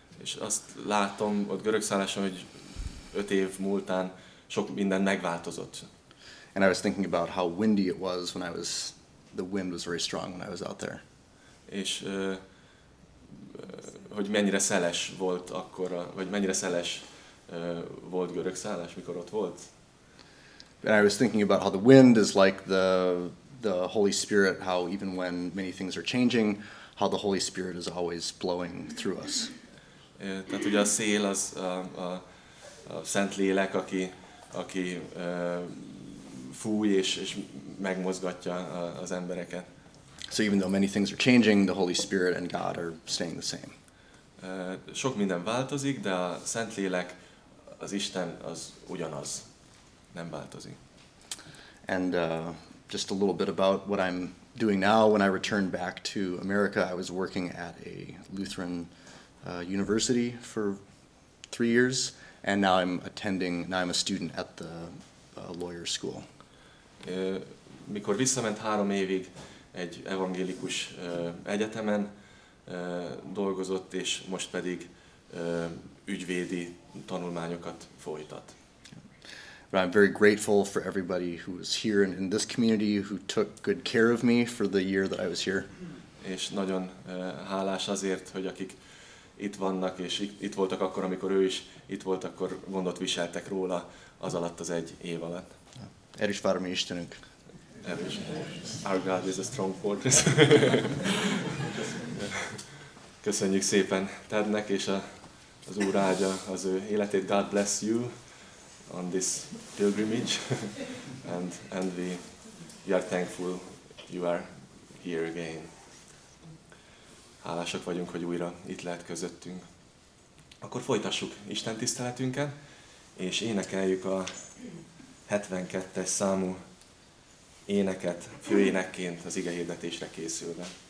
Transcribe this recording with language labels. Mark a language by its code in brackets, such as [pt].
[hu] És azt látom ott Görögszálláson, hogy 5 év múltán sok minden megváltozott. [en] And I was thinking about how windy it was when I was, the wind was very strong when I was out there. [hu] És hogy mennyire szeles volt akkor, vagy mennyire szeles volt Görögszállás, mikor ott volt. [en] And I was thinking about how the wind is like the Holy Spirit, how even when many things are changing, how the Holy Spirit is always blowing through us. [hu] Tehát ugye a szél az a Szent Lélek, aki fúj és megmozgatja az embereket. [en] So even though many things are changing, the Holy Spirit and God are staying the same. [hu] Sok minden változik, de a Szent Lélek, az Isten az ugyanaz. Nem változik. [en] And just a little bit about what I'm doing now. When I returned back to America, I was working at a Lutheran university for 3 years, and now I'm attending. Now I'm a student at the lawyer school. [hu] Mikor visszament 3 évig egy evangélikus egyetemen dolgozott, és most pedig ügyvédi tanulmányokat folytat. [en] But I'm very grateful for everybody who was here in this community who took good care of me for the year that I was here. [hu] És nagyon hálás azért, hogy akik itt vannak és itt voltak akkor, amikor ő is itt volt, akkor gondot viseltek róla az alatt az egy év alatt. Erős vár a mi Istenünk. Erős. [en] Our God is a strong fortress. [hu] Köszönjük szépen Tednek, és az Úr áldja az ő életét. [en] God bless you on this pilgrimage, and we are thankful you are here again. [hu] Hálásak vagyunk, hogy újra itt lehet közöttünk. Akkor folytassuk Isten tiszteletünket, és énekeljük a 72-es számú éneket főénekként az ige hirdetésre készülve.